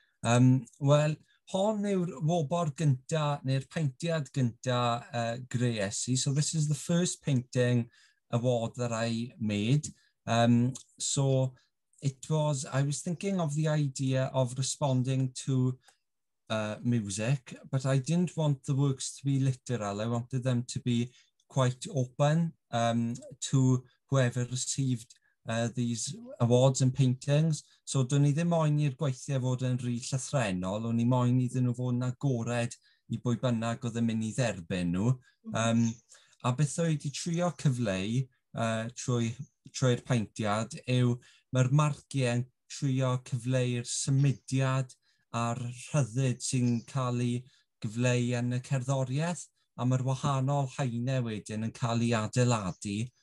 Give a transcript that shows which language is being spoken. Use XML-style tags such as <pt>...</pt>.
<cy>Wel, hon yw'r wobr gynta, neu'r paintiad gynta greu'es i.</cy> <en>So this is the first painting award that I made. So I was thinking of the idea of responding to music, but I didn't want the works to be literal. I wanted them to be quite open to whoever received these awards and paintings.</en> <cy>So do'n i ddim moyn i'r gweithiau fod yn rhy llythrenol, o'n i moyn iddyn nhw fod yn agored i bwy bynnag oedd yn mynd i dderbyn nhw. A beth o'i di trio cyfleu trwy'r paintiad yw mae'r marciau yn trio cyfleu'r symudiad a'r rhyddid sy'n cael ei gyfleu yn y cerddoriaeth, a mae'r wahanol haenau wedyn yn cael ei adeiladu.</cy>